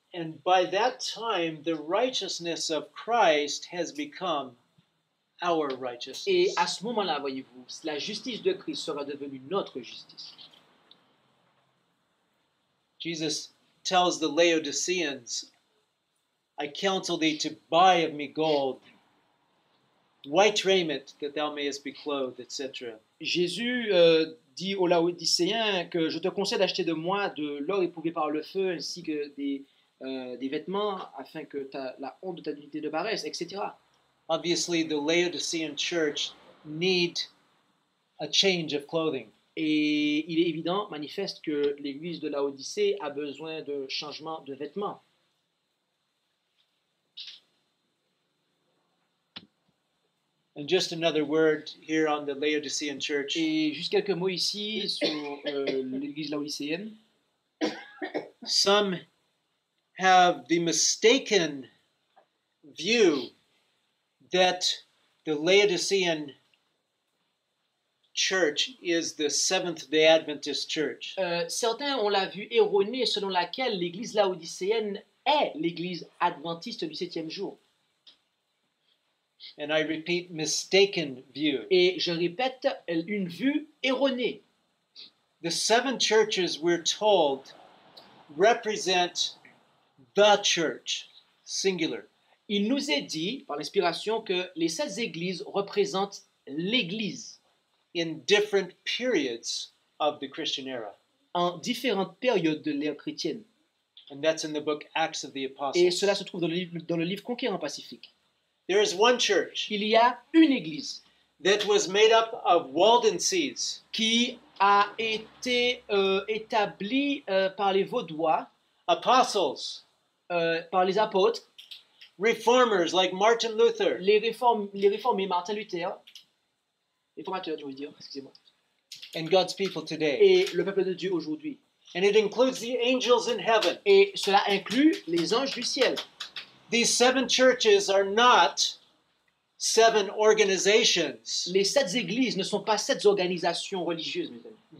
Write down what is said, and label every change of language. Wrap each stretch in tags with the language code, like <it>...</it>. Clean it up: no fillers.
<en>And by that time, the righteousness of Christ has become our righteousness.</en> <fr>Et à ce moment-là, voyez-vous, la justice de Christ sera devenue notre justice.</fr> <en>Jesus tells the Laodiceans, I counsel thee to buy of me gold, white raiment, that thou mayest be clothed, etc.</en> <fr>Jésus dit aux Laodicéens que je te conseille d'acheter de moi de l'or éprouvé par le feu ainsi que des vêtements afin que la honte de ta dignité ne paraisse, etc.</fr> <en>Obviously, the Laodicean church need a change of clothing.</en> <fr>Et il est évident, manifeste, que l'église de Laodicée a besoin de changement de vêtements.</fr> <en>And just another word here on the Laodicean church.</en> <fr>Et juste quelques mots ici sur l'église laodicéenne.</fr> <en>Some have the mistaken view that the Laodicean church is the Seventh-day Adventist church.</en> <fr>Certains ont la vue erronée selon laquelle l'église laodicéenne est l'église adventiste du septième jour.</fr> <en>And I repeat, mistaken view.</en> <fr>Et je répète, une vue erronée.</fr> <en>The seven churches, we're told, represent the church, singular.</en> <fr>Il nous est dit, par l'inspiration, que les 16 églises représentent l'église.</fr> <en>In different periods of the Christian era.</en> <fr>En différentes périodes de l'ère chrétienne.</fr> <en>And that's in the book Acts of the Apostles.</en> <fr>Et cela se trouve dans le livre Conquérant Pacifique.</fr> <en>There is one church.</en> <fr>Il y a une église</fr> <en>that was made up of Waldenses</en> <fr>qui a été établie par les Vaudois,</fr> <en>apostles,</en> <fr>par les apôtres,</fr> <en>reformers like Martin Luther.</en> <fr>Les réformés Martin Luther. Réformateurs, je veux dire, excusez-moi.</fr> <en>And God's people today.</en> <fr>Et le peuple de Dieu aujourd'hui.</fr> <en>And it includes the angels in heaven.</en> <fr>Et cela inclut les anges du ciel.</fr> <en>These seven churches are not seven organizations.</en> <fr>Les sept églises ne sont pas sept organisations religieuses, mes amis.</fr>